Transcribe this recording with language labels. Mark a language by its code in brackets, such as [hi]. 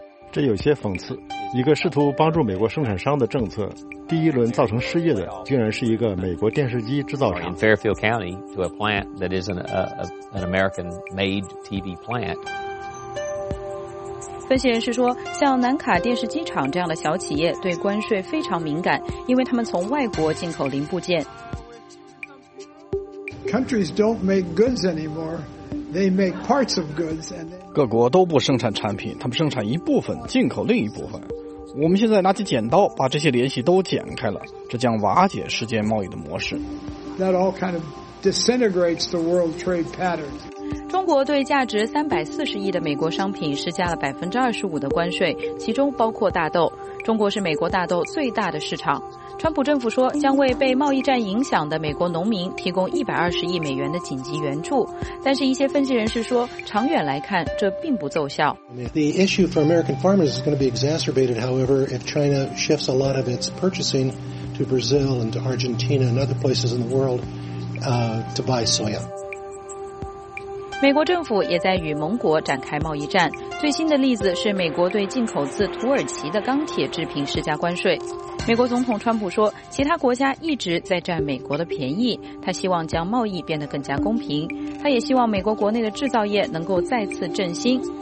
[zh] 这有些讽刺，一个试图帮助美国生产商的政策，第一轮造成失业的竟然是一个美国电视机制造厂。 [en] Fairfield County to a plant that is an American made TV plant。 [zh] 分析人士说，像南卡电视机厂这样的小企业对关税非常敏感，因为他们从外国进口零部件。 [en] Countries don't make goods anymore. They make parts of goods and [zh] 各国都不生产产品，他们生产一部分，进口另一部分。我们现在拿起剪刀，把这些联系都剪开了，这将瓦解世界贸易的模式。 [en] That all kind of disintegrates the world trade pattern. [zh] 中国对价值340亿的美国商品施加了25%的关税，其中包括大豆。中国是美国大豆最大的市场。川普政府说，将为被贸易战影响的美国农民提供120亿美元的紧急援助，但是一些分析人士说，长远来看，这并不奏效。 [en] The issue for American farmers is going to be exacerbated, however, if China shifts a lot of its purchasing to Brazil and to Argentina and other places in the world, to buy soya. [zh] 美国政府也在与盟国展开贸易战，最新的例子是美国对进口自土耳其的钢铁制品施加关税。美国总统川普说，其他国家一直在占美国的便宜，他希望将贸易变得更加公平，他也希望美国国内的制造业能够再次振兴。